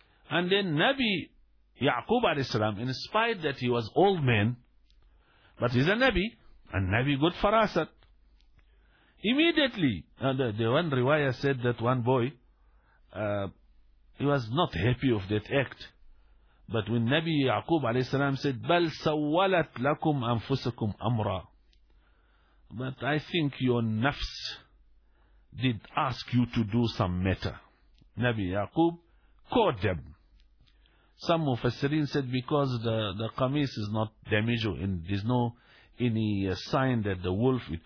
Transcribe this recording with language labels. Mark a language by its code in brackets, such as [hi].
[en] And then Nabi Yaqub a.s., in spite that he was old man, but he's a Nabi, and Nabi got farasat. Immediately, the one riwayah said that one boy, he was not happy of that act. But when Nabi Yaqub a.s. said, [ar] بَلْ سَوَّلَتْ لَكُمْ أَنفُسَكُمْ أَمْرًا. [en] But I think your nafs did ask you to do some matter. Nabi Yaqub caught them. Some of the Sirin said because the qamis is not damaged, and there's no any sign that the wolf...